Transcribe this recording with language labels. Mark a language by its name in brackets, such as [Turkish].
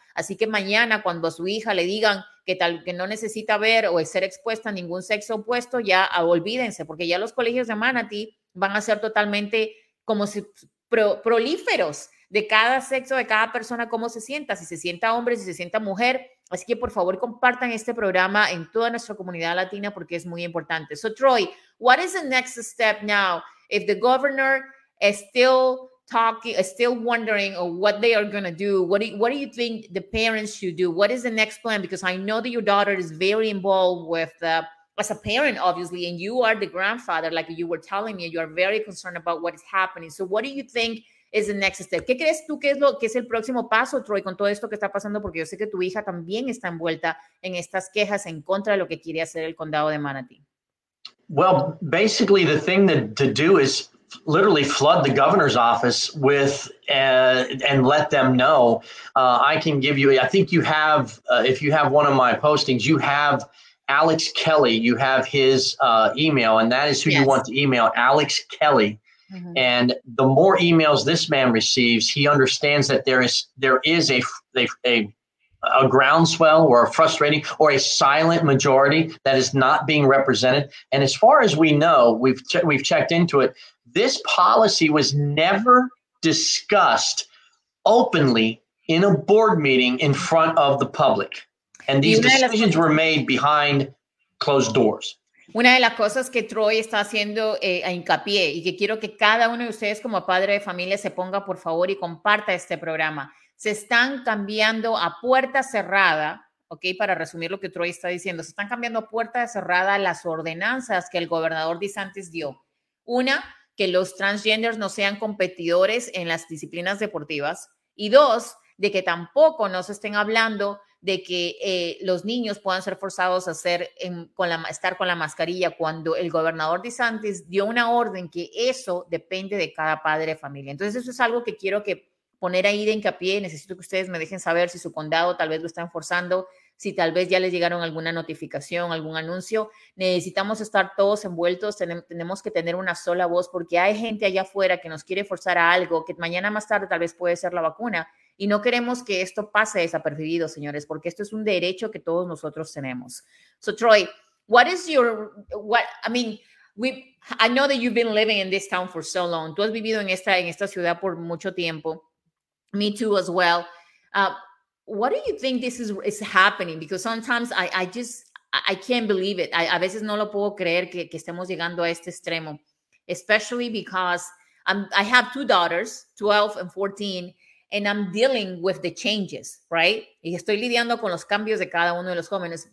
[Spanish] Así que mañana, cuando a su hija le digan que tal que no necesita ver o ser expuesta a ningún sexo opuesto, ya olvídense, porque ya los colegios de Manatee van a ser totalmente como si prolíferos de cada sexo, de cada persona, cómo se sienta, si se sienta hombre, si se sienta mujer. Así que, por favor, compartan este programa en toda nuestra comunidad latina porque es muy importante. [English] So, Troy, what is the next step now if the governor is still talking, is still wondering what they are going to do? What do you think the parents should do? What is the next plan? Because I know that your daughter is very involved with the, as a parent, obviously, and you are the grandfather, like you were telling me, you are very concerned about what is happening. So what do you think is the next step? [Spanish] ¿Qué crees tú que es lo que es el próximo paso, Troy, con todo esto que está pasando? Porque yo sé que tu hija también está envuelta en estas quejas en contra de lo que quiere hacer el condado de Manatee. [English] Well, basically, the thing that to do is literally flood the governor's office with and let them know. I can give you, I think you have, if you have one of my postings, you have Alex Kelly, you have his email, and that is who you want to email, Alex Kelly. Mm-hmm. And the more emails this man receives, he understands that there is a groundswell or a frustrating or a silent majority that is not being represented. And as far as we know, we've checked into it. This policy was never discussed openly in a board meeting in front of the public. And these decisions were made behind closed doors. [Spanish] Una de las cosas que Troy está haciendo a hincapié y que quiero que cada uno de ustedes como padre de familia se ponga por favor y comparta este programa. Se están cambiando a puerta cerrada, ok, para resumir lo que Troy está diciendo, se están cambiando a puerta cerrada las ordenanzas que el gobernador DeSantis dio. Una, que los transgenders no sean competidores en las disciplinas deportivas. Y dos, de que tampoco no se estén hablando de que los niños puedan ser forzados a estar con la mascarilla cuando el gobernador DeSantis dio una orden que eso depende de cada padre de familia. Entonces, eso es algo que quiero que poner ahí de hincapié. Necesito que ustedes me dejen saber si su condado tal vez lo están forzando, si tal vez ya les llegaron alguna notificación, algún anuncio. Necesitamos estar todos envueltos, tenemos que tener una sola voz porque hay gente allá afuera que nos quiere forzar a algo que mañana más tarde tal vez puede ser la vacuna. Y no queremos que esto pase desapercibido, señores, porque esto es un derecho que todos nosotros tenemos. [English] So, Troy, I know that you've been living in this town for so long. [Spanish] Tú has vivido en esta ciudad por mucho tiempo. [English] Me too as well. What do you think this is happening? Because sometimes I can't believe it. [Spanish] A veces no lo puedo creer que estemos llegando a este extremo. [English] Especially because I have two daughters, 12 and 14, and I'm dealing with the changes, right? [Spanish] Y estoy lidiando con los cambios de cada uno de los jóvenes.